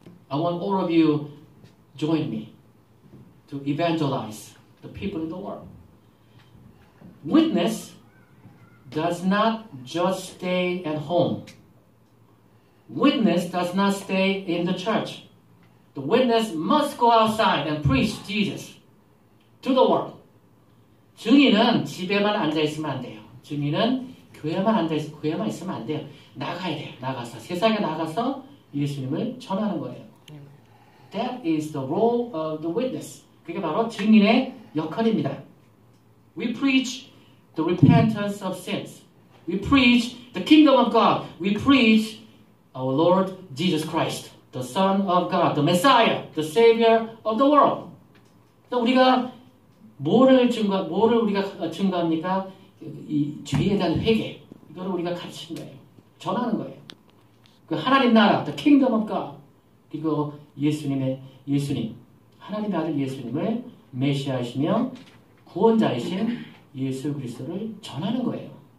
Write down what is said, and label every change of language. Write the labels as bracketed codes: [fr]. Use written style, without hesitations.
[en] I want all of you join me to evangelize the people in the world. Witness does not just stay at home. Witness does not stay in the church. The witness must go outside and preach Jesus. To the world. [ko] 증인은 집에만 앉아있으면 안 돼요. 증인은 교회만 있으면 안 돼요. 나가야 돼요. 나가서. 세상에 나가서 예수님을 전하는 거예요. [en] That is the role of the witness. [ko] 그게 바로 증인의 역할입니다. [en] We preach the repentance of sins. We preach the kingdom of God. We preach our Lord Jesus Christ, the Son of God, the Messiah, the Savior of the world. [ko] 우리가 뭐를 우리가 증거합니까? 이 죄에 대한 회개. 이거를 우리가 가르치는 거예요. 전하는 거예요. 그 하나님 나라, the kingdom of God. 그리고 예수님. 하나님의 아들 예수님을 메시아이시며 구원자이신 예수 그리스도를 전하는 거예요.